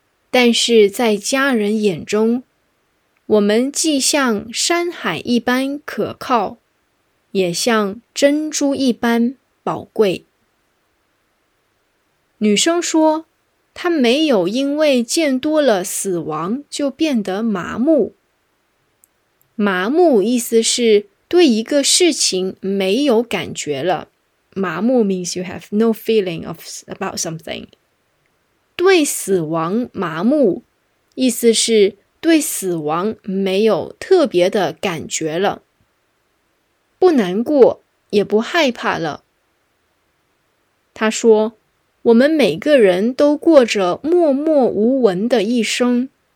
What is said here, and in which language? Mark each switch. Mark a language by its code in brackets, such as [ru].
[zh] 但是在家人眼中，我们既像山海一般可靠，也像珍珠一般宝贵。女生说，她没有因为见多了死亡就变得麻木。麻木意思是对一个事情没有感觉了。 [en] 麻木 means you have no feeling of about something. [zh] 对死亡麻木意思是对死亡没有特别的感觉了。不难过也不害怕了。他说，我们每个人都过着默默无闻的一生。